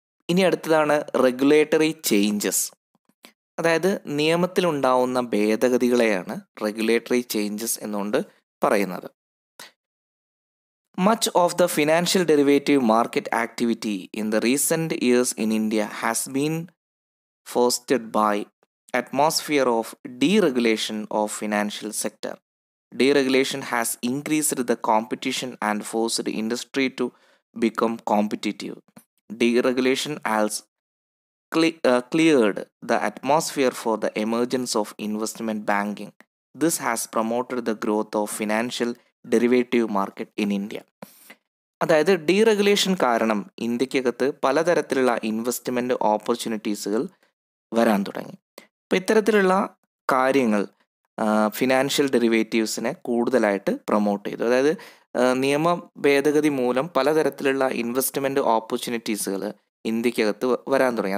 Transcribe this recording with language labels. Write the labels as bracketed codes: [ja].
[ml] ഇനി അടുത്തതാണ് regulatory changes. അതായത് നിയമത്തിലുണ്ടാവുന്ന ഭേദഗതികളെയാണ് റെഗുലേറ്ററി ചേഞ്ചസ് എന്നുകൊണ്ട് പറയുന്നത്. [en] Much of the financial derivative market activity in the recent years in India has been fostered by atmosphere of deregulation of financial sector. Deregulation has increased the competition and forced industry to become competitive. Deregulation has cleared the atmosphere for the emergence of investment banking. This has promoted the growth of financial derivative market in India. [ml] അതായത് deregulation കാരണം ഇന്ത്യക്കകത്ത് പലതരത്തിലുള്ള investment ഓപ്പർച്യൂണിറ്റീസുകൾ വരാൻ തുടങ്ങി. അപ്പോൾ ഇത്തരത്തിലുള്ള കാര്യങ്ങൾ financial ഡെറിവേറ്റീവ്സിനെ കൂടുതലായിട്ട് promote ചെയ്തു. അതായത് നിയമ ഭേദഗതി മൂലം പലതരത്തിലുള്ള ഇൻവെസ്റ്റ്മെൻ്റ് ഓപ്പർച്യൂണിറ്റീസുകൾ ഇന്ത്യക്കകത്ത് വരാൻ തുടങ്ങി.